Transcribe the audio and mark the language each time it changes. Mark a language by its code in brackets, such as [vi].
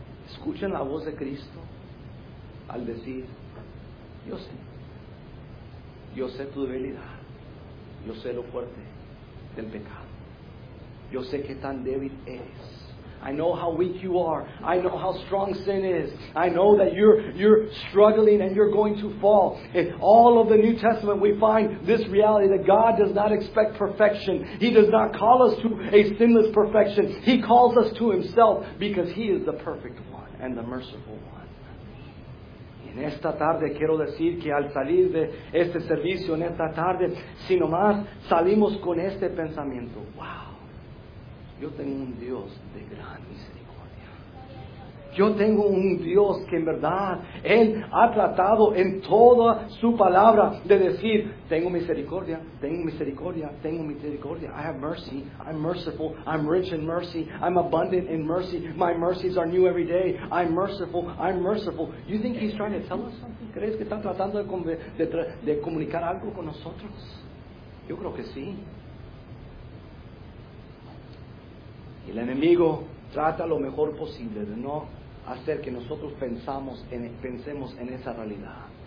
[es] Escuchen la voz de Cristo al decir, yo sé tu debilidad, yo sé lo fuerte del pecado, yo sé qué tan débil eres. [en] I know how weak you are. I know how strong sin is. I know that you're struggling and you're going to fall. In all of the New Testament, we find this reality that God does not expect perfection. He does not call us to a sinless perfection. He calls us to Himself because He is the perfect one and the merciful one. [es] En esta tarde quiero decir que al salir de este servicio, en esta tarde, si nomás salimos con este pensamiento, wow, yo tengo un Dios de gran misericordia. Yo tengo un Dios que en verdad, Él ha tratado en toda su palabra de decir, tengo misericordia, tengo misericordia, tengo misericordia. [en] I have mercy, I'm merciful, I'm rich in mercy, I'm abundant in mercy, my mercies are new every day, I'm merciful, I'm merciful. You think He's trying to tell us something? [es] ¿Crees que está tratando de comunicar algo con nosotros? Yo creo que sí. Y el enemigo trata lo mejor posible de no hacer que nosotros pensemos en esa realidad.